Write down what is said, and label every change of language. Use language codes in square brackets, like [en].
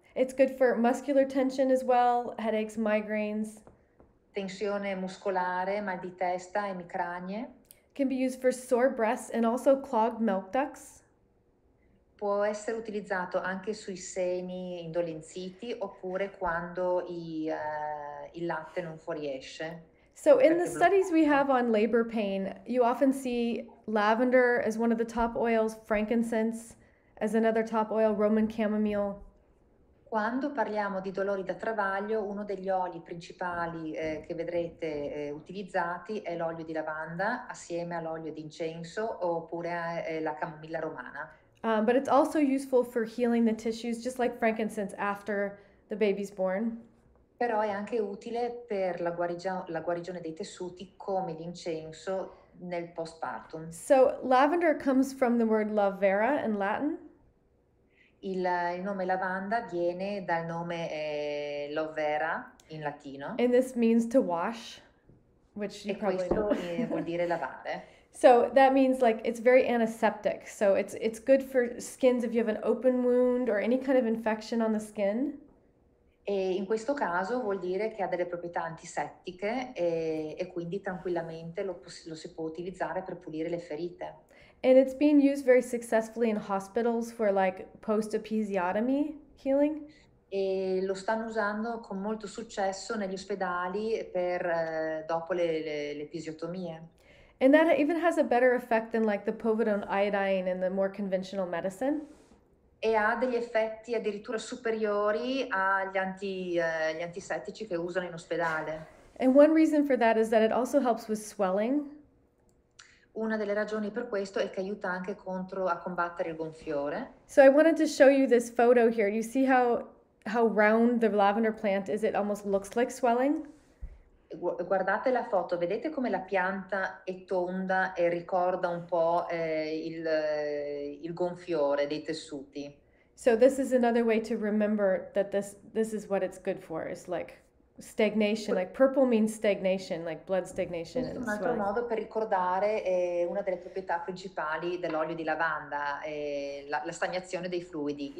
[en] It's good for muscular tension as well, headaches, migraines. [it] Tensione muscolare, mal di testa, emicranie. [en] Can be used for sore breasts and also clogged milk ducts. [it] Può essere utilizzato anche sui seni indolenziti oppure quando il latte non fuoriesce. [en] So in the studies we have on labor pain, you often see lavender as one of the top oils, frankincense as another top oil, Roman chamomile. [it] Quando parliamo di dolori da travaglio, uno degli oli principali che vedrete utilizzati è l'olio di lavanda assieme all'olio di incenso oppure la camomilla romana. [en] But it's also useful for healing the tissues, just like frankincense after the baby's born. [it] Però è anche utile per la guarigione dei tessuti come l'incenso nel postpartum. [en] So lavender comes from the word lavera in Latin. [it] Il nome lavanda viene dal nome lovera in latino. [en] And this means to wash, which you [it] e [en] probably [it] questo vuol dire lavare. [en] So that means like it's very antiseptic. So it's good for skins if you have an open wound or any kind of infection on the skin. [it] E in questo caso vuol dire che ha delle proprietà antisettiche e quindi tranquillamente lo si può utilizzare per pulire le ferite. [en] And it's being used very successfully in hospitals for like post-episiotomy healing. [it] E lo stanno usando con molto successo negli ospedali per dopo le episiotomie. [en] And that even has a better effect than like the povidone iodine in the more conventional medicine. [it] E ha degli effetti addirittura superiori agli gli antisettici che usano in ospedale. [en] And one reason for that is that it also helps with swelling. [it] Una delle ragioni per questo è che aiuta anche contro a combattere il gonfiore. [en] So I wanted to show you this photo here. You see how round the lavender plant is? It almost looks like swelling. [it] Guardate la foto, vedete come la pianta è tonda e ricorda un po' il gonfiore dei tessuti. [en] So this is another way to remember that this is what it's good for. It's like stagnation, like purple means stagnation, like blood stagnation. [it] Questo è un altro [en] swelling. [it] Modo per ricordare una delle proprietà principali dell'olio di lavanda, la stagnazione dei fluidi.